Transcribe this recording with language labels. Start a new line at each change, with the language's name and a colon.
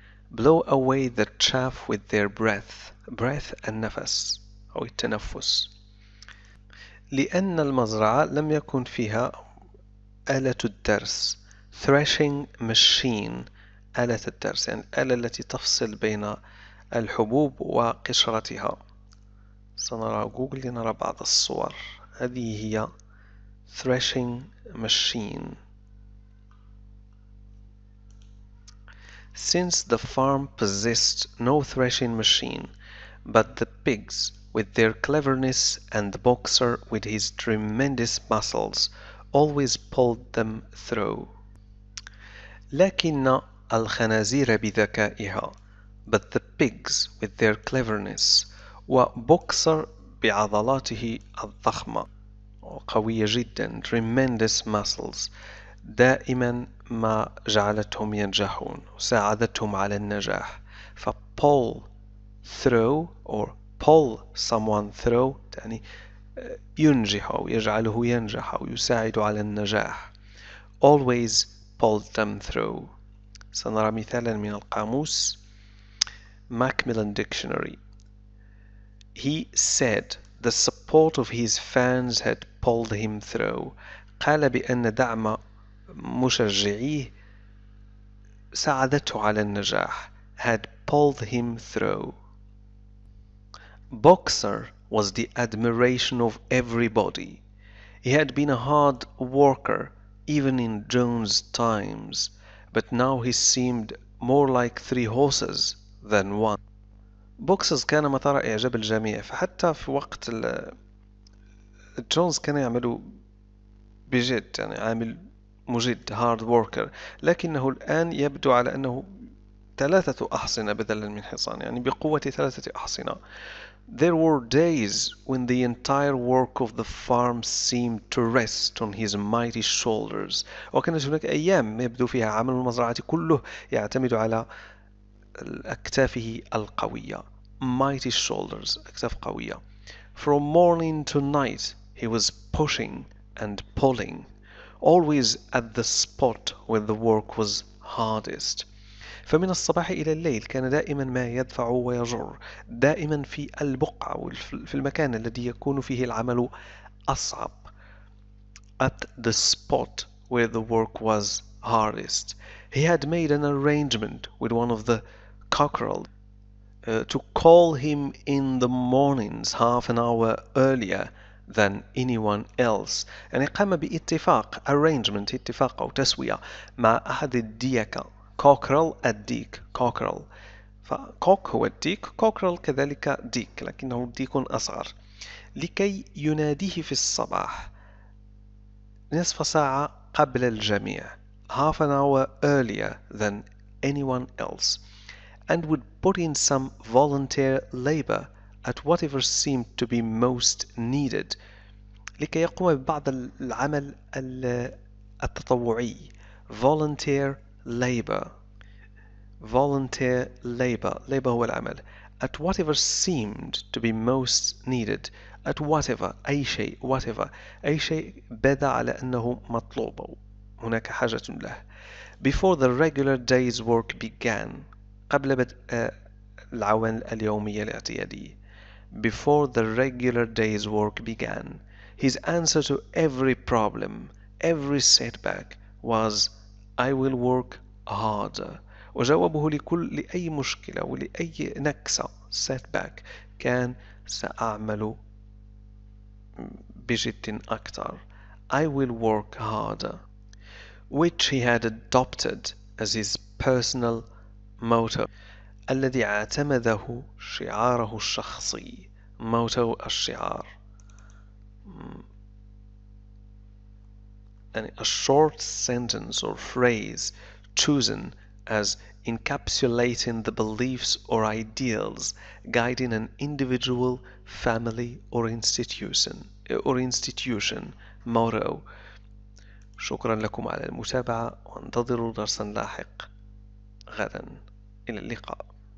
English: blow away the chaff with their breath.
Arabic: breath النفس أو التنفس، لأن المزرعة لم يكن فيها آلة الدرس، threshing machine آلة الدرس، يعني الآلة التي تفصل بين الحبوب وقشرتها. سنرى جوجل لنرى بعض الصور. هذه هي threshing machine.
English: Since the farm possessed no threshing machine, but the pigs with their cleverness and the boxer with his tremendous muscles always pulled them through.
Arabic: لكن الخنازير بذكائها,
English: but the pigs with their cleverness,
Arabic: وبوكسر بعضلاته الضخمة وقوية جدا,
English: tremendous muscles,
Arabic: دائما ما جعلتهم ينجحون وساعدتهم على النجاح. ف
English: pull through or pull someone through
Arabic: يعني ينجح أو يجعله ينجح أو يساعد على النجاح.
English: always pull them through.
Arabic: سنرى مثالا من القاموس Macmillan Dictionary.
English: He said the support of his fans had pulled him through.
Arabic: قال بأن دعم مشجعيه ساعدته على النجاح.
English: had pulled him through. Boxer was the admiration of everybody. He had been a hard worker even in Jones' times, but now he seemed more like three horses than one.
Arabic: بوكسز كان مثار إعجاب الجميع, فحتى في وقت جونز كان يعمل بجد, يعني عامل مجد,
English: hard worker,
Arabic: لكنه الآن يبدو على أنه ثلاثة أحصنة بدلا من حصان, يعني بقوة ثلاثة أحصنة.
English: There were days when the entire work of the farm seemed to rest on his mighty shoulders.
Arabic: وكانت هناك أيام يبدو فيها عمل المزرعة كله يعتمد على أكتافه القوية.
English: Mighty shoulders,
Arabic: أكتاف قوية.
English: From morning to night, he was pushing and pulling, always at the spot where the work was hardest.
Arabic: فمن الصباح إلى الليل كان دائما ما يدفع ويجر, دائما في البقعة في المكان الذي يكون فيه العمل أصعب.
English: At the spot where the work was hardest, he had made an arrangement with one of the cockerel to call him in the mornings half an hour earlier than anyone else.
Arabic: يعني قام باتفاق, arrangement, اتفاق أو تسوية مع أحد الديكة, cockerel, الديك, cockerel. فcock هو الديك, cockerel كذلك ديك, لكنه ديك أصغر, لكي يناديه في الصباح نصف ساعة قبل الجميع,
English: half an hour earlier than anyone else, and would put in some volunteer labor at whatever seemed to be most needed,
Arabic: لكي يقوم ببعض العمل التطوعي,
English: volunteer labor. volunteer labor, labor
Arabic: هو العمل,
English: at whatever seemed to be most needed, at whatever,
Arabic: أي شيء, whatever, أي شيء بدا على أنه مطلوب هناك حاجة له.
English: before the regular day's work began,
Arabic: قبل بدء العوامل اليومية الاعتيادية.
English: before the regular day's work began, his answer to every problem, every setback was, I will work harder.
Arabic: وجوابه لأي مشكلة ولأي نكسة, setback, كان سأعمل بجد أكثر.
English: I will work harder. which he had adopted as his personal motto,
Arabic: الذي اعتمده شعاره الشخصي,
English: motto الشعار, يعني a short sentence or phrase chosen as encapsulating the beliefs or ideals guiding an individual, family or institution, or institution motto.
Arabic: شكرا لكم على المتابعة, وانتظروا درسا لاحق غدا. إلى اللقاء.